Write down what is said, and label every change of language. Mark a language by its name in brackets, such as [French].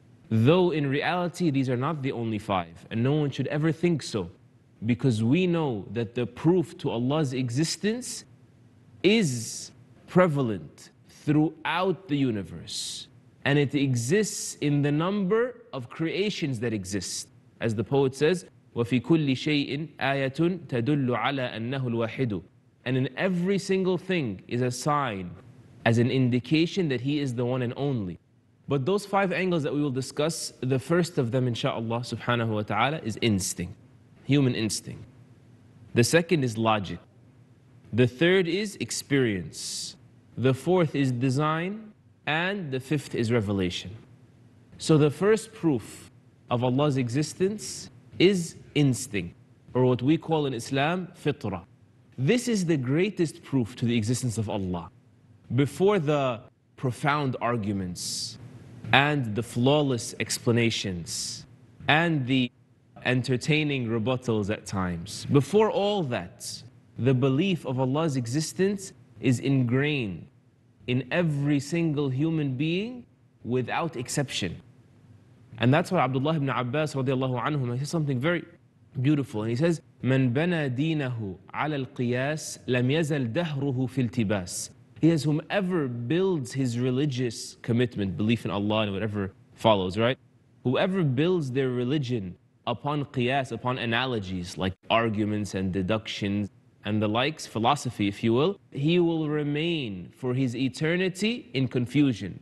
[English] Though in reality, these are not the only five, and no one should ever think so, because we know that the proof to Allah's existence is prevalent throughout the universe, and it exists in the number of creations that exist. As the poet says, [Arabic] وَفِي كُلِّ شَيْءٍ آيَةٌ تَدُلُّ عَلَىٰ أَنَّهُ الْوَاحِدُ. [English] And in every single thing is a sign, as an indication that He is the one and only. But those five angles that we will discuss, the first of them, inshaAllah, subhanahu wa ta'ala, is instinct. Human instinct. The second is logic. The third is experience. The fourth is design. And the fifth is revelation. So the first proof of Allah's existence is instinct, or what we call in Islam, fitra. This is the greatest proof to the existence of Allah. Before the profound arguments and the flawless explanations and the entertaining rebuttals at times, before all that, the belief of Allah's existence is ingrained in every single human being without exception. And that's why Abdullah ibn Abbas radiallahu anhu, he says something very beautiful. And he says, [Arabic] من بنى دينه على القياس لم يزل دهره في التباس. [English] He says, whomever builds his religious commitment, belief in Allah and whatever follows, right? Whoever builds their religion upon qiyas, upon analogies like arguments and deductions and the likes, philosophy, if you will, he will remain for his eternity in confusion.